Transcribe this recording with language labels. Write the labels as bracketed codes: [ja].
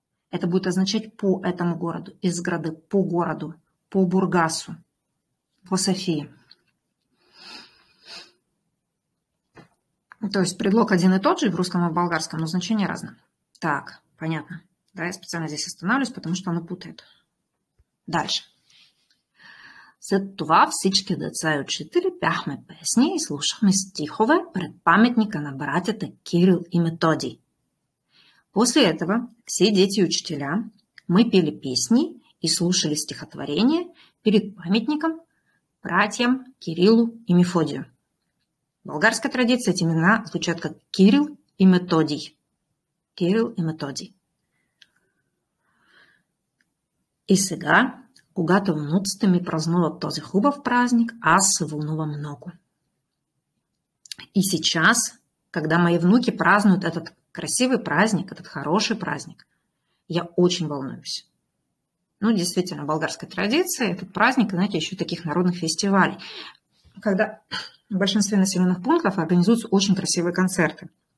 [ru] Это будет означать по этому городу, из града, по городу, по Бургасу, по Софии. То есть предлог один и тот же в русском и в болгарском, но значение разное. Так, понятно. Да, я специально здесь останавливаюсь, потому что оно путает. Дальше. [bg] След това всички деца и учители пяхме песни и слушахме стихове пред паметника на братята Кирил и Методий. [ru] После этого все дети и учителя мы пели песни и слушали стихотворение перед памятником братьям Кириллу и Мефодию. В болгарской традиции эти имена звучат как Кирил и Методий. Кирил и Методий. [bg] И сега, когато внуците ми празнуват този хубав празник, аз се вълнувам много. [ru] И сейчас, когда мои внуки празднуют этот красивый праздник, этот хороший праздник, я очень волнуюсь. Ну, действительно, болгарская традиция, этот праздник, знаете, еще таких народных фестивалей, когда в большинстве населенных пунктов организуются очень красивые концерты.